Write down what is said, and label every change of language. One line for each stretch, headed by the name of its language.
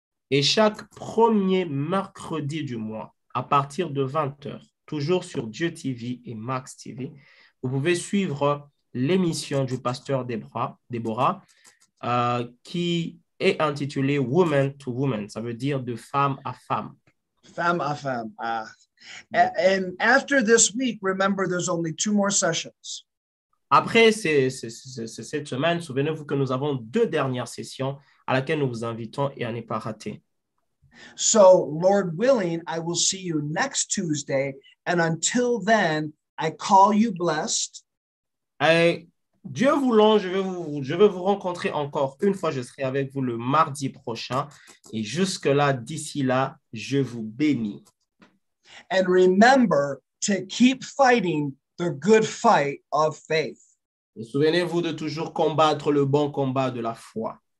French: Et chaque premier mercredi du mois, à partir de 20h, toujours sur Dieu TV et Max TV, vous pouvez suivre l'émission du pasteur Deborah, qui est intitulée Woman to Woman, ça veut dire de femme à femme. Femme à femme. Ah. Oui.
English: And after this week, remember, there's only two more sessions.
French: Après cette semaine, souvenez-vous que nous avons deux dernières sessions à laquelle nous vous invitons et à ne pas rater.
English: So, Lord willing, I will see you next Tuesday. And until then, I call you blessed.
French: Et Dieu voulant, je vais vous rencontrer encore une fois. Je serai avec vous le mardi prochain. Et jusque-là, d'ici là, je vous bénis.
English: And remember to keep fighting the good fight of faith.
French: Et souvenez-vous de toujours combattre le bon combat de la foi.